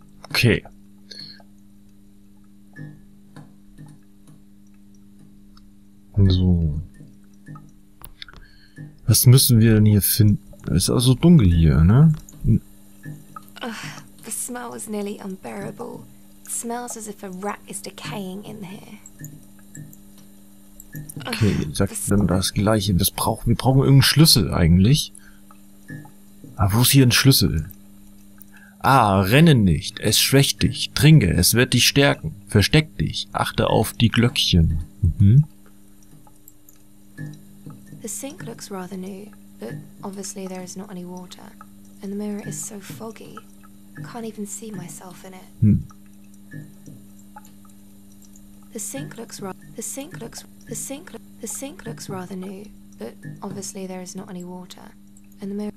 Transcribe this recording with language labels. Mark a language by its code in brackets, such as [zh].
[de] Okay. So. Was müssen wir denn hier finden? Es ist auch so dunkel hier, ne? [en] Ugh, the smell is nearly unbearable. It smells as if a rat is decaying in here. [de] Okay, sagt dann das Gleiche. Wir brauchen irgendeinen Schlüssel eigentlich. Aber wo ist hier ein Schlüssel? Ah, renne nicht. Es schwächt dich. Trinke, es wird dich stärken. Versteck dich. Achte auf die Glöckchen. [en] The sink looks rather new, but obviously there is not any water. And the mirror is so foggy, I can't even see myself in it.